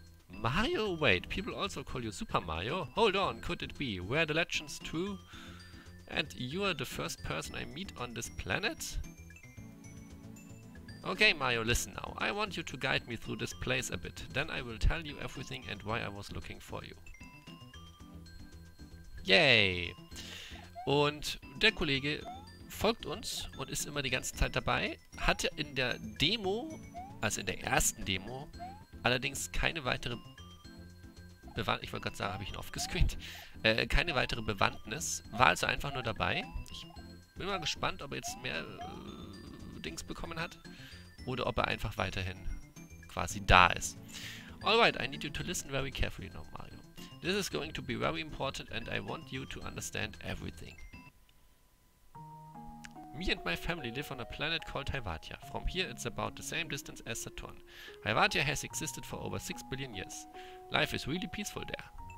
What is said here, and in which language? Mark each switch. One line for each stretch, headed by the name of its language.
English: Mario? Wait, people also call you Super Mario? Hold on, could it be? Were the legends true? And you are the first person I meet on this planet? Okay, Mario, listen now. I want you to guide me through this place a bit. Then I will tell you everything and why I was looking for you. Yay!
German: Und der Kollege folgt uns und ist immer die ganze Zeit dabei. Hatte in der Demo, also in der ersten Demo, allerdings keine weitere Bewand, ich wollte gerade sagen, habe ich ihn offgescreent. Keine weitere Bewandtnis. War also einfach nur dabei. Ich bin mal gespannt, ob er jetzt mehr Dings bekommen hat. Oder ob er einfach weiterhin quasi da ist.
English: Alright, I need you to listen very carefully now, Mario. This is going to be very important and I want you to understand everything. Me and my family live on a planet called Hyvatia. From here, it's about the same distance as Saturn. Hyvatia has existed for over 6 billion years. Life is really peaceful there.